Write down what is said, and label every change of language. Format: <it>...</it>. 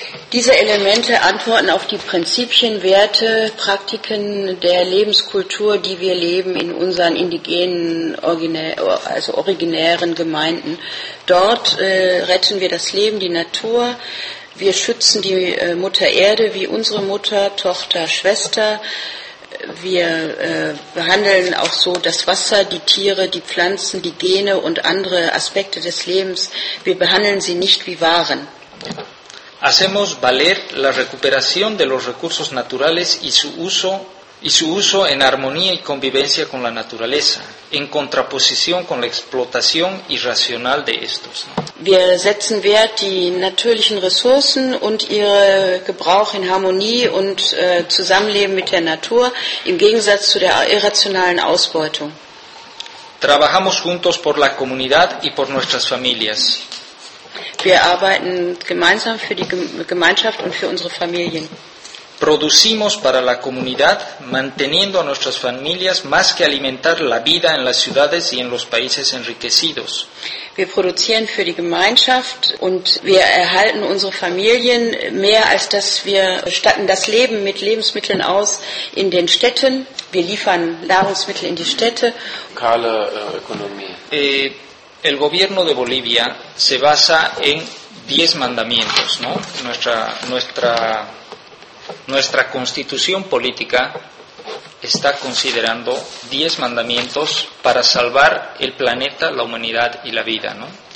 <de>Diese Elemente antworten auf die Prinzipien, Werte, Praktiken der Lebenskultur, die wir leben in unseren indigenen, also originären Gemeinden. Dort retten wir das Leben, die Natur. Wir schützen die Mutter Erde wie unsere Mutter, Tochter, Schwester. Wir behandeln auch so das Wasser, die Tiere, die Pflanzen, die Gene und andere Aspekte des Lebens. Wir behandeln sie nicht wie Waren.</de> <es>Hacemos valer la recuperación de los recursos naturales y su uso y su uso en armonía y convivencia con la naturaleza, en contraposición con la explotación irracional de estos.</es> <de>Wir setzen Wert die natürlichen Ressourcen und ihre Gebrauch in Harmonie und Zusammenleben mit der Natur im Gegensatz zu der irrationalen Ausbeutung.</de> <es>Trabajamos juntos por la comunidad y por nuestras familias.</es> <de>Wir arbeiten gemeinsam für die Gemeinschaft und für unsere Familien.</de> <es>Producimos para la comunidad, manteniendo a nuestras familias más que alimentar la vida en las ciudades y en los países enriquecidos.</es> <de>Wir produzieren für die Gemeinschaft und wir erhalten unsere Familien mehr als dass wir statten das Leben mit Lebensmitteln aus in den Städten. Wir liefern Nahrungsmittel in die Städte. Lokale Ökonomie.</de> <es>El gobierno de Bolivia se basa en 10 mandamientos, ¿no? Nuestra constitución política está considerando 10 mandamientos para salvar el planeta, la humanidad y la vida, ¿no?</es>